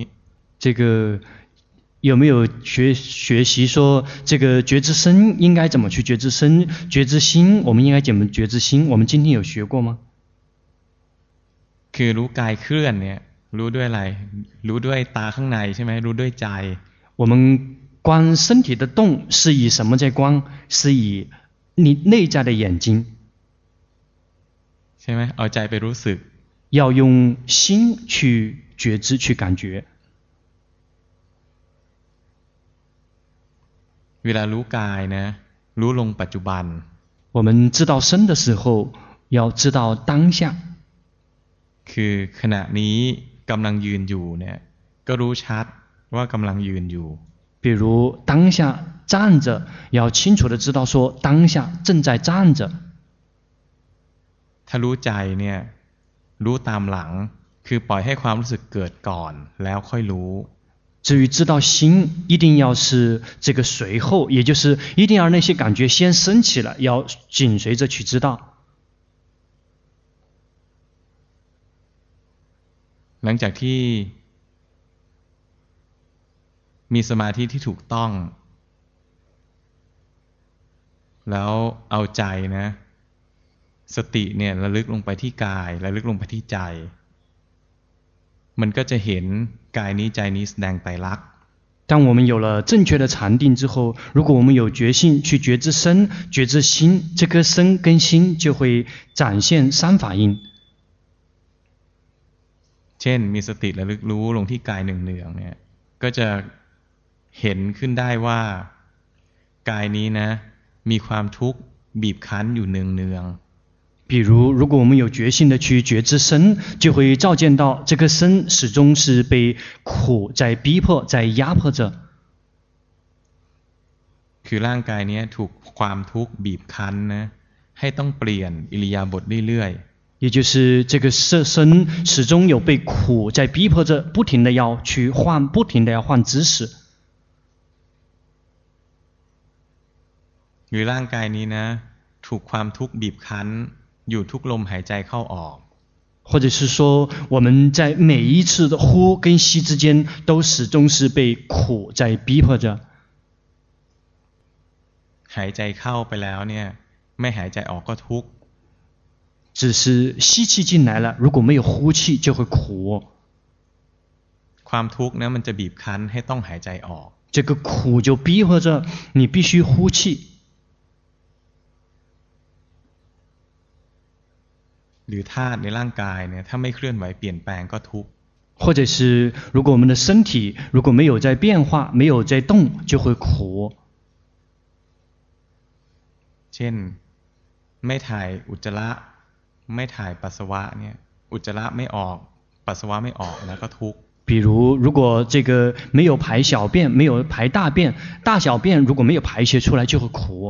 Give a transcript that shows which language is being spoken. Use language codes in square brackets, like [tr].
[zh] 这个有没有学习说这个觉知身应该怎么去觉知身觉知心我们应该怎么觉知心我们今天有学过吗 [th] คือรู้กายเคลื่อนเนี่ยรู้ด้วยอะไรรู้ด้วยตาข้างในใช่ไหมรู้ด้วยใจ [zh] 我们观身体的动是以什么在观是以你内在的眼睛 [th] ใช่ไหมเอาใจไปรู้สึก [zh] 要用心去觉知去感觉 [th] เวลารู้กายนะรู้ลงปัจจุบัน [zh] 我们知道身的时候要知道当下 [th] คือขณะนี้กำลังยืนอยู่เนี่ยก็รู้ชัดว่ากำลังยืนอยู่ [zh] 比如当下站着要清楚的知道说当下正在站着 [th] ถ้ารู้ใจเนี่ยรู้ตามหลังคือปล่อยให้ความรู้สึกเกิดก่อนแล้วค่อยรู้ [zh] 至于知道心一定要是这个随后也就是一定要那些感觉先升起了要紧随着去知道 [th] หลังจากที่มีสมาธิที่ถูกต้องแล้วเอาใจนะสติเนี่ยระลึกลงไปที่กายระลึกลงไปที่ใจมันก็จะเห็นกายนี้ใจนี้แสดงไตรลักษณ์ [zh] 当我们有了正确的禅定之后如果我们有决心去觉知身觉知心这颗身跟心就会展现三法印 [th] เช่นมีสติระลึกรู้ลงที่กายเนืองๆเนี่ยก็จะเห็นขึ้นได้ว่ากายนี้นะมีความทุกข์บีบคั้นอยู่เนือง [zh] ๆ比如如果我们有决心的去觉知身就会照见到这个身始终是被苦在逼迫在压迫着 [th] คือร่างกายนี้ถูกความทุกข์บีบคั้นนะให้ต้องเปลี่ยนอิริยาบถเรื่อยๆ [zh] 也就是这个色身始终有被苦在逼迫着不停的要去换不停的要换姿势与 [th] ร่างกายนี้นะถูกความทุกข์บีบคั้นอยู่ทุกลมหายใจเข้าออก [zh] 或者是说我们在每一次的呼跟吸之间都始终是被苦在逼迫着 [th] หายใจเข้าไปแล้วเนี่ยไม่หายใจออกก็ทุกข์ [zh] 只是吸气进来了如果没有呼气就会苦 [th] ความทุกข์นะมันจะบีบคั้นให้ต้องหายใจออก [zh] 这个苦就逼迫着你必须呼气 [th] หรือธาตุในร่างกายเนี่ยถ้าไม่เคลื่อนไหวเปลี่ยนแปลงก็ทุกข์ [zh] 或者是如果我们的身体如果没有在变化没有在动就会苦 [th] เช่นไม่ถ่ายอุจจาระไม่ถ่ายปัสสาวะเนี่ยอุจจาระไม่ออกปัสสาวะไม่ออกแล้วก็ทุกข์ [zh] 比如如果这个没有排小便没有排大便大小便如果没有排泄出来就会苦